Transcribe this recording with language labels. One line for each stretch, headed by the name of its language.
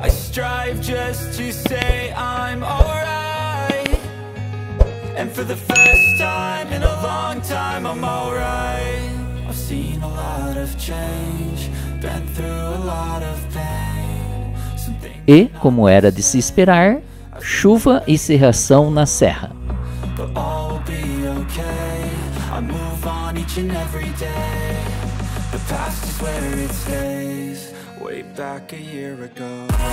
English: I strive just to say I'm alright. And for the first time in a time I'm alright. I've seen a lot of change, been through a lot of pain.
Portuguese: E como era de se esperar, chuva e cerração na serra.
English: But all will be okay. I move on each and every day. The past is where it stays, way back a year ago.